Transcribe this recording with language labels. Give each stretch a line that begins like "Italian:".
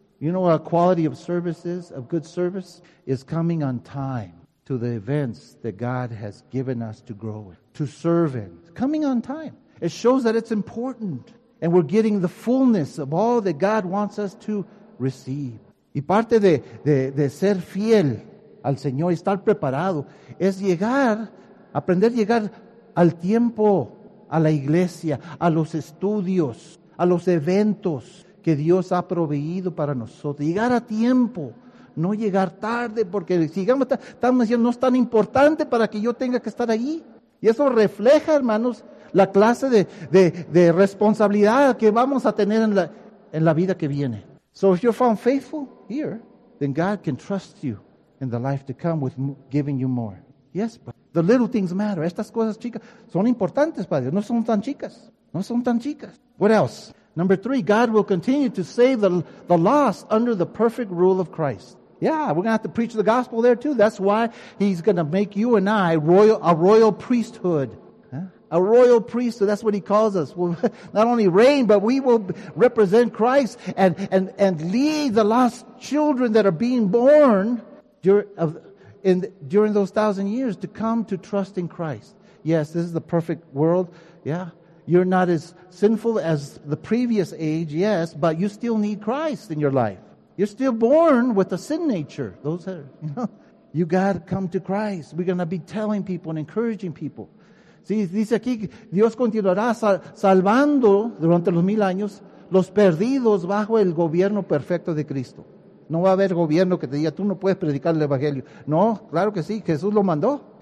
English: You know what a quality of service is, of good service? Is coming on time to the events that God has given us to grow in, to serve in. Coming on time. It shows that it's important. And we're getting the fullness of all that God wants us to receive.
Spanish: Y parte de ser fiel al Señor y estar preparado es aprender a llegar al tiempo, a la iglesia, a los estudios, a los eventos que Dios ha proveído para nosotros. Llegar a tiempo, no llegar tarde, porque sigamos, estamos diciendo, no es tan importante para que yo tenga que estar ahí. Y eso refleja, hermanos, la clase de responsabilidad que vamos a tener en la vida que viene.
English: So if you're found faithful here, then God can trust you in the life to come with giving you more. Yes, but the little things matter.
Spanish: Estas cosas chicas son importantes para Dios. No son tan chicas. No son tan chicas.
English: What else? Number three, God will continue to save the lost under the perfect rule of Christ. Yeah, we're going to have to preach the gospel there too. That's why he's going to make you and I royal, a royal priesthood. Huh? a royal priesthood. That's what he calls us. We'll not only reign, but we will represent Christ and lead the lost children that are being born during those 1,000 years to come to trust in Christ. Yes, this is the perfect world. Yeah. You're not as sinful as the previous age, yes, but you still need Christ in your life. You're still born with a sin nature. Those are, you got to come to Christ. We're going to be telling people and encouraging people.
Spanish: See, dice aquí, Dios continuará salvando durante los 1,000 años los perdidos bajo el gobierno perfecto de Cristo. No va a haber gobierno que te diga, tú no puedes predicar el Evangelio. No, claro que sí, Jesús lo mandó.